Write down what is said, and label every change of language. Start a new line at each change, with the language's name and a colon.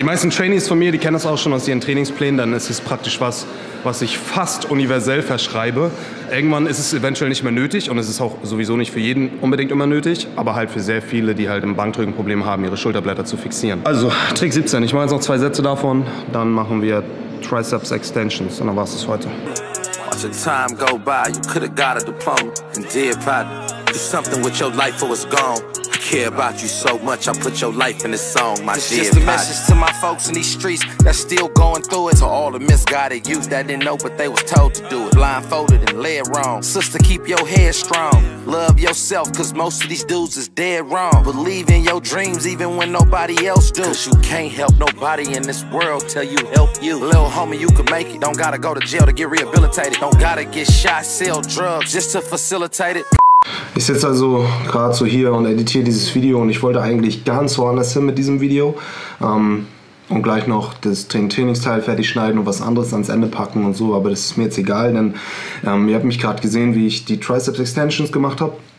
German: Die meisten Trainees von mir, die kennen das auch schon aus ihren Trainingsplänen, dann ist es praktisch was, was ich fast universell verschreibe. Irgendwann ist es eventuell nicht mehr nötig und es ist auch sowieso nicht für jeden unbedingt immer nötig, aber halt für sehr viele, die halt im Bankdrücken Probleme haben, ihre Schulterblätter zu fixieren. Also Trick 17, ich mache jetzt noch zwei Sätze davon, dann machen wir Triceps Extensions und dann war es das heute.
English: Watch the time go by, you could have got a diploma. And dear partner, do something with your life or it's gone. I care about you so much, I put your life in this song, my dear partner. It's just a message to my folks in these streets that's still going through it. To all the misguided youth that didn't know but they was told to do it. Blindfolded and led wrong. Sister, keep your head strong. Love yourself, cause most of these dudes is dead wrong. Believe in your dreams even when nobody else do. Cause you can't help nobody in this world till you help you. Little homie, you can make it. Don't gotta go to jail to get rehabilitated. Don't gotta get shot, sell drugs just to facilitate it.
German: Ich sitze also gerade so hier und editiere dieses Video und ich wollte eigentlich ganz woanders hin mit diesem Video und gleich noch das Trainingsteil fertig schneiden und was anderes ans Ende packen und so, aber das ist mir jetzt egal, denn ihr habt mich gerade gesehen, wie ich die Triceps Extensions gemacht habe